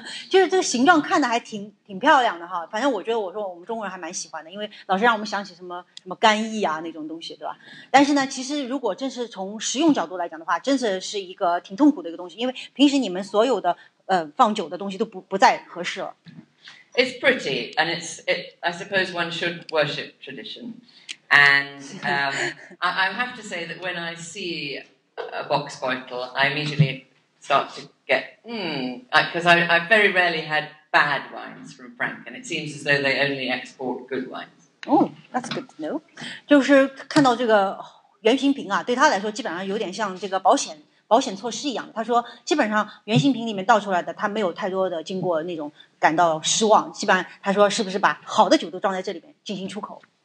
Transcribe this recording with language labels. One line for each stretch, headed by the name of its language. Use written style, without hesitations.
Chinese: 就是这个形状看的还挺漂亮的哈，反正我觉得我说我们中国人还蛮喜欢的，因为老是让我们想起什么干邑啊那种东西，对吧？但是呢，其实如果真是从实用角度来讲的话，真的是一个挺痛苦的一个东西，因为平时你们所有的放酒的东西都不再合适了。
English: It's pretty, and I suppose one should worship tradition. And I have to say that when I see a box bottle, I immediately start to get, because I very rarely had bad wines from Frank, and it seems as though they only export good wines. Oh, that's good to know.
Chinese: 就是看到这个原型瓶啊，对他来说基本上有点像这个保险措施一样，他说基本上原型瓶里面倒出来的他没有太多的经过那种感到失望，基本上他说是不是把好的酒都装在这里面进行出口。